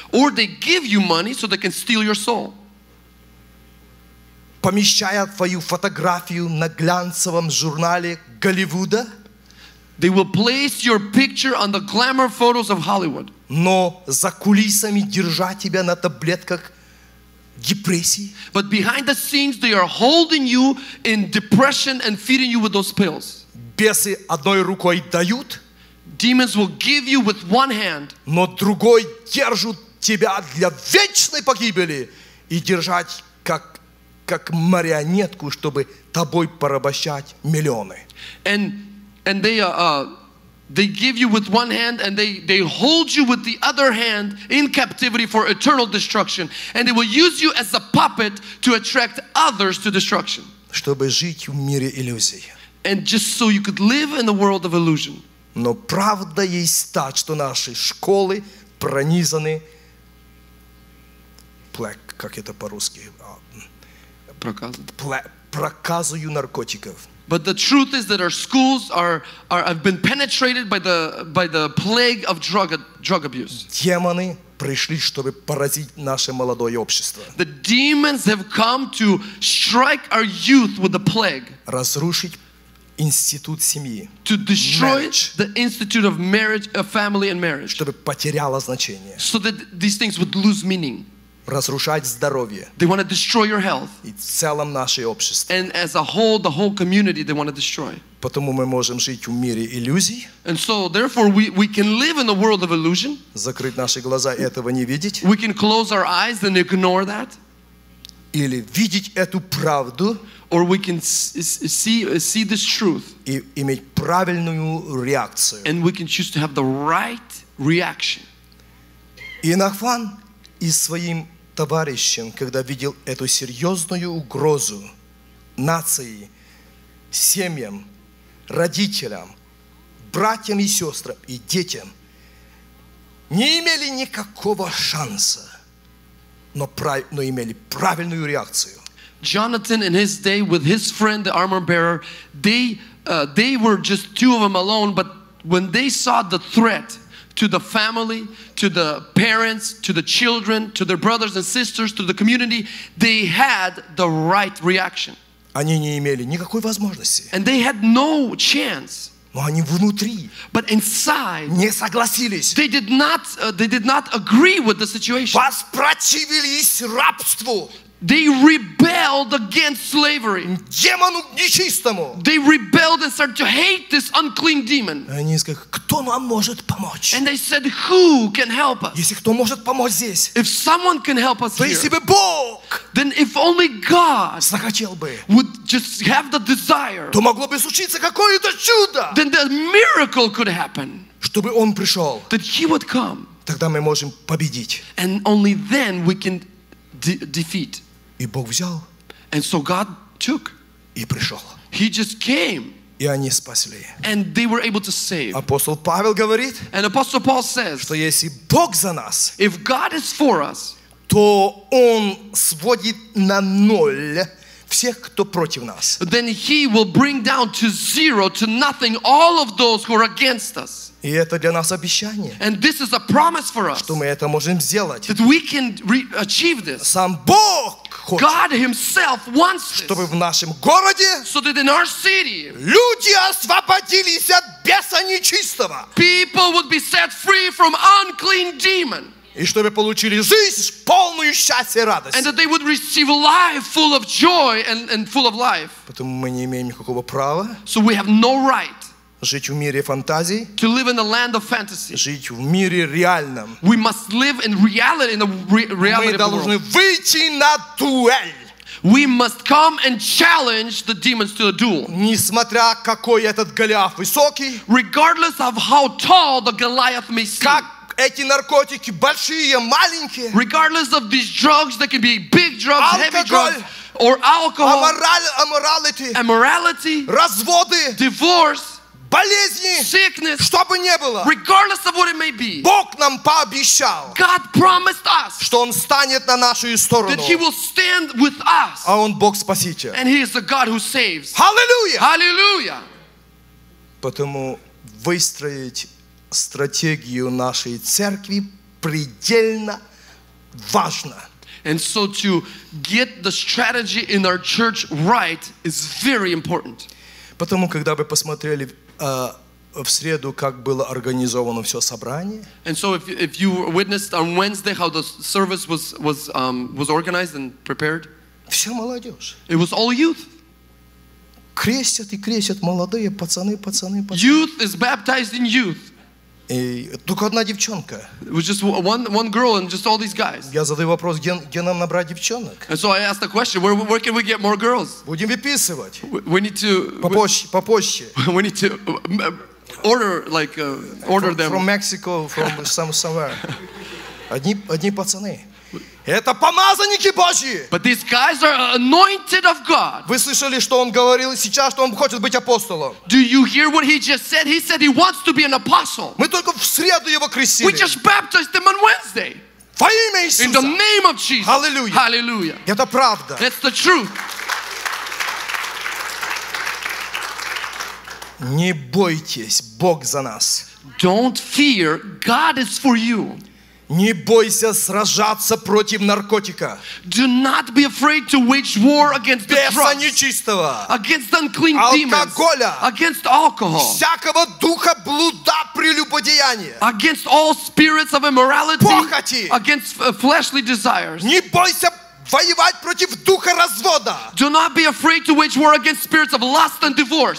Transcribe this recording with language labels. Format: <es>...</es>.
<en>Or they give you money so they can steal your soul.</en> <ru>Помещая твою фотографию на глянцевом журнале Голливуда.</ru> <en>They will place your picture on the glamour photos of Hollywood.</en> <ru>Но за кулисами держа тебя на таблетках депрессии.</ru> <en>But behind the scenes they are holding you in depression and feeding you with those pills.</en> <ru>Бесы одной рукой дают.</ru> <en>Demons will give you with one hand.</en> <ru>Но другой держит тебя для вечной погибели и держать как марионетку, чтобы тобой порабощать миллионы.</ru> <en>And they give you with one hand and they hold you with the other hand in captivity for eternal destruction. And they will use you as a puppet to attract others to destruction.</en> <ru>Чтобы жить в мире иллюзий.</ru> <en>And just so you could live in the world of illusion.</en> <ru>Но правда есть та, что наши школы пронизаны проказою наркотиков.</ru> <en>But the truth is that our schools have been penetrated by the plague of drug abuse.</en> <ru>Демоны пришли, чтобы поразить наше молодое общество.</ru> <en>The demons have come to strike our youth with the plague.</en> <ru>Разрушить институт семьи.</ru> <en>To destroy the institute of marriage, of family and marriage.</en> <ru>Чтобы потеряло значение.</ru> <en>So that these things would lose meaning.</en> <ru>Разрушать здоровье.</ru> <en>They want to destroy your health.</en> <ru>И в целом наше общество.</ru> <en>And as a whole, the whole community they want to destroy.</en> <ru>Потому мы можем жить в мире иллюзий.</ru> <en>And so therefore we can live in a world of illusion.</en> <ru>Закрыть наши глаза и этого не видеть.</ru> <en>We can close our eyes and ignore that.</en> <ru>или видеть эту правду,</ru> <en>or we can see this truth,</en> <ru>и иметь правильную реакцию,</ru> <en>and we can choose to have the right reaction.</en> <ru>И Нахван и своим товарищем, когда видел эту серьезную угрозу нации, семьям, родителям, братьям и сестрам и детям, не имели никакого шанса, но имели правильную реакцию.</ru> <en>Jonathan and his day with his friend, the armor bearer, they were just two of them alone, but when they saw the threat to the family, to the parents, to the children, to their brothers and sisters, to the community, they had the right reaction.</en> <ru>Они не имели никакой возможности.</ru> <en>And they had no chance.</en> <ru>Но они внутри.</ru> <en>But inside,</en> <ru>не согласились.</ru> <en>They did not agree with the situation.</en> <ru>Воспротивились рабству.</ru> <en>They rebelled against slavery.</en> <ru>Демону нечистому.</ru> <en>They rebelled and started to hate this unclean demon.</en> <ru>Они сказали, кто нам может помочь?</ru> <en>And they said, who can help us?</en> <ru>Если кто может помочь здесь?</ru> <en>If someone can help us here.</en> <ru>То если бы Бог.</ru> <en>Then if only God.</en> <ru>Захотел бы.</ru> <en>Would just have the desire.</en> <ru>То могло бы случиться какое-то чудо.</ru> <en>Then the miracle could happen.</en> <ru>Чтобы он пришел.</ru> <en>That he would come.</en> <ru>Тогда мы можем победить.</ru> <en>And only then we can defeat.</en> <ru>И Бог взял.</ru> <en>And so God took.</en> <ru>И пришел.</ru> <en>He just came.</en> <ru>И они спасли.</ru> <en>And they were able to save.</en> <ru>Апостол Павел говорит.</ru> <en>And Apostle Paul says.</en> <ru>Что если Бог за нас.</ru> <en>If God is for us.</en> <ru>То он сводит на ноль всех, кто против нас.</ru> <en>Then he will bring down to zero, to nothing, all of those who are against us.</en> <ru>И это для нас обещание.</ru> <en>And this is a promise for us.</en> <ru>Что мы это можем сделать.</ru> <en>That we can achieve this.</en> <ru>Сам Бог хочет.</ru> <en>God himself wants this.</en> <ru>Чтобы в нашем городе.</ru> <en>So that in our city.</en> <ru>Люди освободились от беса нечистого.</ru> <en>People would be set free from unclean demon.</en> <ru>И чтобы получили жизнь, полную счастье и радость.</ru> <en>And that they would receive life full of joy and full of life.</en> <ru>Потому мы не имеем никакого права.</ru> <en>So we have no right.</en> <ru>Жить в мире фантазий.</ru> <en>To live in the land of fantasy.</en> <ru>Жить в мире реальном.</ru> <en>We must live in reality, in the reality.</en> <ru>Мы должны выйти на дуэль.</ru> <en>We must come and challenge the demons to a duel.</en> <ru>Несмотря какой этот Голиаф высокий.</ru> <en>Regardless of how tall the Goliath may seem.</en> <ru>Как эти наркотики большие, маленькие.</ru> <en>Regardless of these drugs, they can be big drugs,</en> <ru>алкоголь,</ru> <en>heavy drugs, or alcohol. Amorality. Immorality.</en> <ru>Разводы.</ru> <en>Divorce.</en> <ru>Болезни,</ru> <en>sickness,</en> <ru>что бы ни было,</ru> <en>regardless of what it may be,</en> <ru>Бог нам пообещал,</ru> <en>God promised us,</en> <ru>что Он станет на нашу сторону,</ru> <en>that He will stand with us,</en> <ru>а Он Бог-спаситель,</ru> <en>and He is the God who saves. Hallelujah! Hallelujah!</en> <ru>Потому выстроить стратегию нашей церкви предельно важно.</ru> <en>And so to get the strategy in our church right is very important.</en> <ru>Потому когда вы посмотрели в среду, как было организовано все собрание.</ru> <en>And so if you witnessed on Wednesday how the service was organized and prepared.</en> <ru>Вся молодежь.</ru> <en>It was all youth.</en> <ru>Крестят и крестят молодые пацаны.</ru> <en>Youth is baptized in youth.</en> <ru>И только одна девчонка.</ru> <en>It was just one girl and just all these guys.</en> <ru>Я задаю вопрос, где нам набрать девчонок?</ru> <en>And so I asked the question, where can we get more girls?</en> <ru>Будем выписывать.</ru> <en>We need to.</en> <ru>Попозже.</ru> <en>We need to order them. From Mexico, from somewhere.</en> <ru>Одни пацаны. Это помазанники Божьи.</ru> <en>But these guys are anointed of God.</en> <ru>Вы слышали, что он говорил сейчас, что он хочет быть апостолом?</ru> <en>Do you hear what he just said? He said he wants to be an apostle.</en> <ru>Мы только в среду его крестили.</ru> <en>We just baptized him on Wednesday.</en> <ru>Во имя Иисуса.</ru> <en>In the name of Jesus. Hallelujah. Hallelujah.</en> <ru>Это правда.</ru> <en>That's the truth.</en> <ru>Не бойтесь, Бог за нас.</ru> <en>Don't fear, God is for you.</en> <ru>Не бойся сражаться против наркотика.</ru> <en>Do not be afraid to wage war against the drugs.</en> <ru>Беса нечистого.</ru> <en>Against unclean demons.</en> <ru>Алкоголя.</ru> <en>Against alcohol.</en> <ru>Всякого духа блуда прелюбодеяния.</ru> <en>Against all spirits of immorality.</en> <ru>Похоти.</ru> <en>Against fleshly desires.</en> <ru>Не бойся воевать против духа развода.</ru> <en>Do not be afraid to wage war against spirits of lust and divorce.</en>